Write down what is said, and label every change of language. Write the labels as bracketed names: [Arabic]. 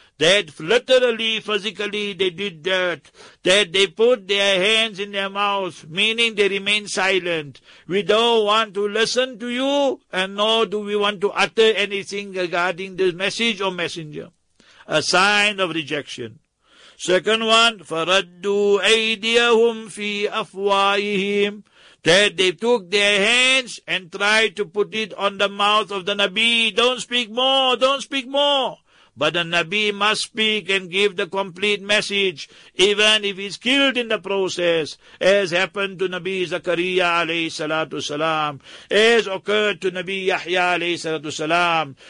[English] That literally, physically, they did that. That they put their hands in their mouths, meaning they remain silent. We don't want to listen to you, and nor do we want to utter anything regarding this message or messenger. A sign of rejection. Second one, [Arabic] فَرَدُّوا أَيْدِيَهُمْ فِي أَفْوَاهِهِمْ. [English] That they took their hands and tried to put it on the mouth of the Nabi. Don't speak more, don't speak more. But the Nabi must speak and give the complete message, even if he's killed in the process, as happened to Nabi Zakaria alayhi salatu salam, as occurred to Nabi Yahya alayhi salatu salam.